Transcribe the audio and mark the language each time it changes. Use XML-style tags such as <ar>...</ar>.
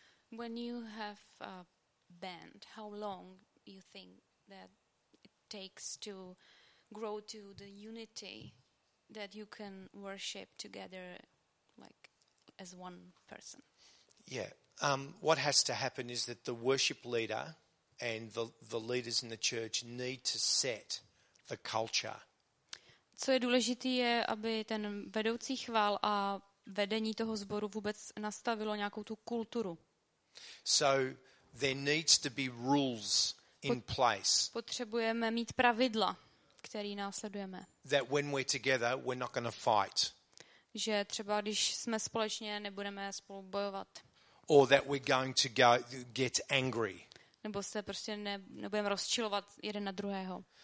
<en>When you have a band, how long you think that it takes to grow to the unity that you can worship together, like as one person? Yeah. What has to happen is that the worship leader and the leaders in the church need to set the culture.</en> <cs>Co je důležité je, aby ten vedoucí chvál a vedení toho sboru vůbec nastavilo nějakou tu kulturu.</cs> <en>So there needs to be rules in place.</en> <cs>Potřebujeme mít pravidla, které následujeme.</cs> <en>That when we're together, we're not going to fight.</en> <cs>Že třeba když jsme společně, nebudeme spolu bojovat.</cs> <en>Or that we're going to get angry.</en> <cs>Nebo se prostě nebudeme rozčilovat jeden na druhého.</cs>